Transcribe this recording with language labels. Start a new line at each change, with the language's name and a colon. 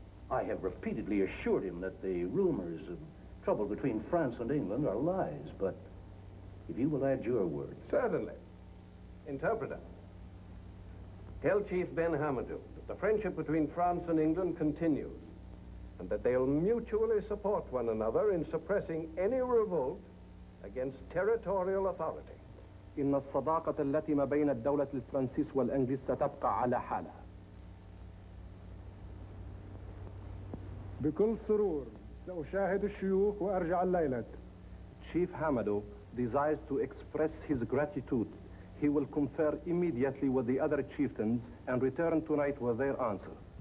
English: I have repeatedly assured him that the rumors of trouble between France and England are lies, but if you will add your word. Certainly. Interpreter. Tell Chief Ben Hamadou that the friendship between France and England continues, and that they'll mutually support one another in suppressing any revolt against territorial authority.
Arabic: إن الصداقة التي ما بين الدولة الفرنسية والإنجليز ستبقى على حالها. بكل سرور سأشاهد الشيوخ وأرجع الليلة.
English: Chief Hamadou desires to express his gratitude. He will confer immediately with the other chieftains and return tonight with their answer.